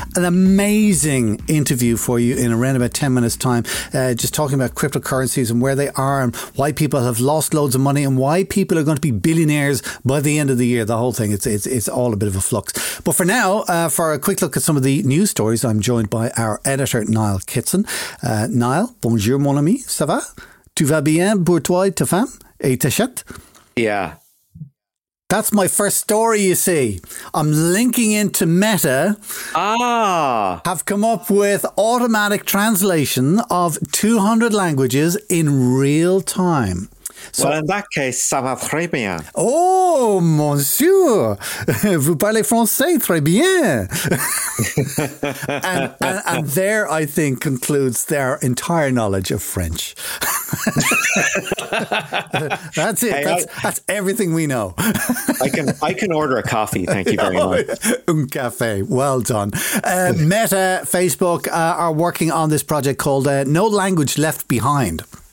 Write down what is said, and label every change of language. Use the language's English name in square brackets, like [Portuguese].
[English] An amazing interview for you in around about 10 minutes time just talking about cryptocurrencies and where they are and why people have lost loads of money and why people are going to be billionaires by the end of the year. The whole thing, it's all a bit of a flux. But for now, for a quick look at some of the news stories, I'm joined by our editor, Niall Kitson. [French] Niall, bonjour mon ami, ça va? Tu vas bien pour toi, ta femme et ta chatte? [English] Yeah. That's my first story, you see. I'm linking into Meta. Ah. Have come up with automatic translation of 200 languages in real time. So, well, in that case, [French] ça va très bien. Oh, monsieur, vous parlez français très bien. [English] And there, I think, concludes their entire knowledge of French. That's it. Hey, that's everything we know. I can order a coffee. Thank you very much. [French] Un café. [English] Well done. Meta, Facebook are working on this project called No Language Left Behind.